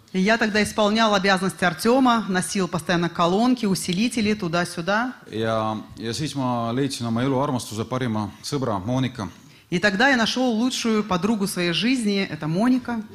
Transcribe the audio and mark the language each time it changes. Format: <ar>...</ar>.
<ru>Я тогда исполнял обязанности Артема, носил постоянно колонки, усилители туда-сюда.</ru> <et>Ja siis ma leidsin oma elu armastuse parima sõbra Monika.</et> <ru>И тогда я нашел лучшую подругу своей жизни, это Моника.</ru>